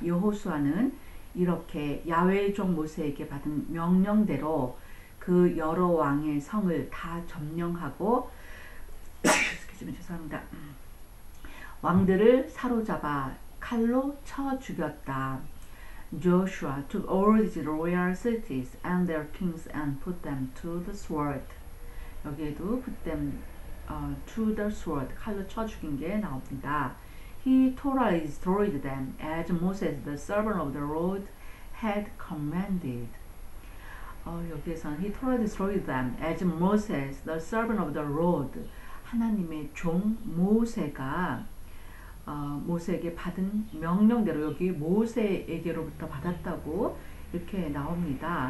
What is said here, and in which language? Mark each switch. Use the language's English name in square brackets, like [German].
[Korean] 여호수아는 이렇게 야훼의 종 모세에게 받은 명령대로 그 여러 왕의 성을 다 점령하고 죄송합니다. 왕들을 사로잡아 칼로 쳐 죽였다. [English] Joshua took all these royal cities and their kings and put them to the sword. [Korean] 여기에도 [English] put them to the sword. [Korean] 칼로 쳐 죽인 게 나옵니다. [English] He totally destroyed them as Moses, the servant of the Lord, had commanded. [Korean] 여기에서는 [English] he totally destroyed them as Moses, the servant of the Lord. [Korean] 하나님의 종 모세가 모세에게 받은 명령대로 여기 모세에게로부터 받았다고 이렇게 나옵니다.